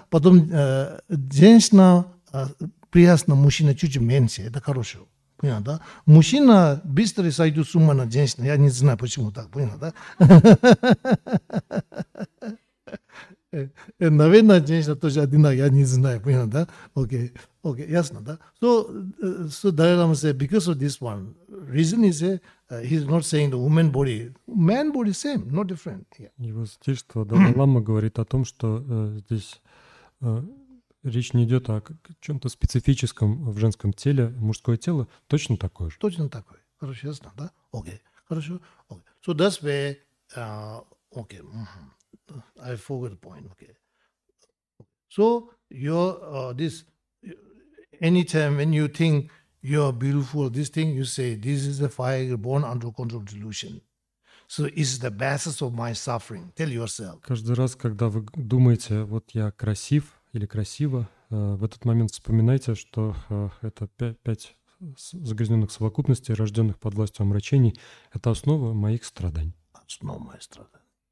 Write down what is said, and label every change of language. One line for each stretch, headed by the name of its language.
Russian: Потом женщина приятна, мужчина чуть меньше, это хорошо. Понял, да? Мужчина быстро сойдет с ума на женщину. Я не знаю, почему так, понял, да? Наверное, женщина тоже одинаковая, я не знаю, понял, да? Окей, окей, ясно, да?
English: So Далай-лама said, because of this one, reason is he's not saying the woman body. Man body same, no different.
Russian: И вот здесь, что Далай-лама говорит о том, что речь не идет о чем-то специфическом в женском теле. Мужское тело точно такое же. Точно такое. Хорошо, ясно, да? Окей. Хорошо.
English: Okay. So that's where... Okay. Mm-hmm. I forgot the point. Okay. So this... Anytime when you think you are beautiful, this thing, you say, this is a fire born under control delusion. So it's the basis of my suffering. Tell yourself.
Russian: Каждый раз, когда вы думаете, вот я красив, или красиво, в этот момент вспоминайте, что это пять загрязненных совокупностей, рожденных под властью омрачений, это основа моих страданий. Основа моих страданий.